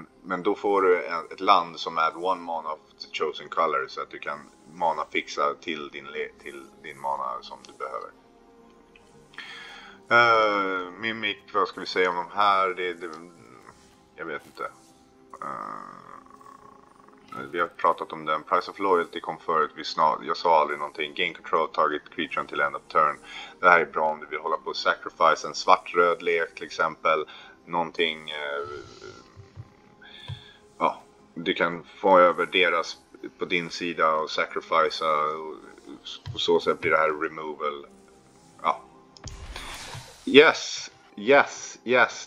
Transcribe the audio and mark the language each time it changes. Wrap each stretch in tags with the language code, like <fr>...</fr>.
<sv>Men då får du ett land som</sv> <en>add one mana of the chosen color,</en> <sv>så att du kan mana fixa till din mana som du behöver. Mimic, vad ska vi säga om de här? Jag vet inte. Vi har pratat om den. Price of Loyalty kom förut. Jag sa aldrig någonting.</sv> <en>Gain control target creature until end of turn.</en> <sv>Det här är bra om du vill hålla på att sacrifice en svart-röd lek till exempel. Någonting. Ja. Du kan få över deras på din sida och sacrifice. Och så sätt blir det här removal.</sv> <en>Ja. Yes. Yes. Yes.</en>